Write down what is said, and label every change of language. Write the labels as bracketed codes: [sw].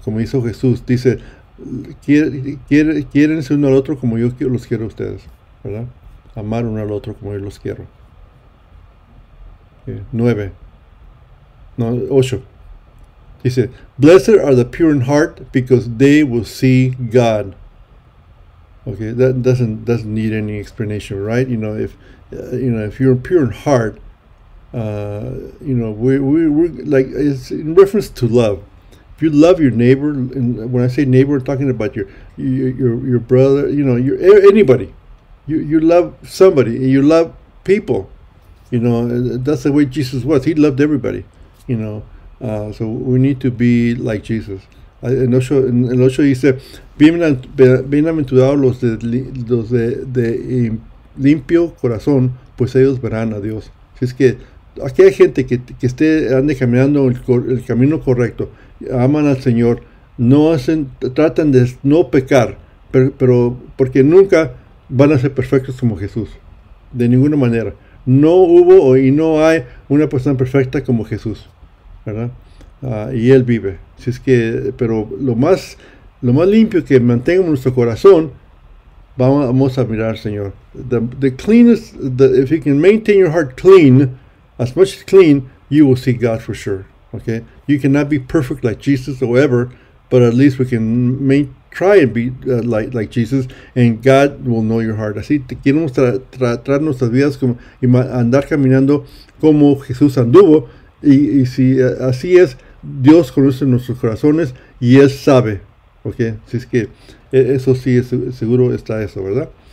[es] Como hizo Jesús, dice, quiérense uno al otro como yo los quiero a ustedes, ¿verdad? Amar uno al otro como yo los quiero. 8. [en] Dice, blessed are the pure in heart, because they will see God. Okay, that doesn't need any explanation, right? You know, if you're pure in heart, we're like, it's in reference to love. If you love your neighbor, and when I say neighbor, I'm talking about your brother, you know, your anybody. You love somebody, and you love people, you know, that's the way Jesus was. He loved everybody, you know. So we need to be like Jesus. [es] En 8 dice, bienaventurados los de limpio corazón, pues ellos verán a Dios. Si es que aquella gente que esté ande caminando el camino correcto, aman al Señor, no hacen, tratan de no pecar, pero porque nunca van a ser perfectos como Jesús, de ninguna manera. No hubo y no hay una persona perfecta como Jesús, ¿verdad? Y Él vive. Si es que, pero lo más limpio que mantenga nuestro corazón, Vamos a mirar, Señor. [en] The cleanest, the, if you can maintain your heart clean, as much as clean, you will see God for sure. Okay? You cannot be perfect like Jesus or ever, but at least we can try and be like Jesus, and God will know your heart. [es] Así te quiero tratar nuestras vidas como y andar caminando como Jesús anduvo. Y si así es, Dios conoce nuestros corazones y Él sabe. Okay? Así es que eso sí, es, seguro está eso, ¿verdad?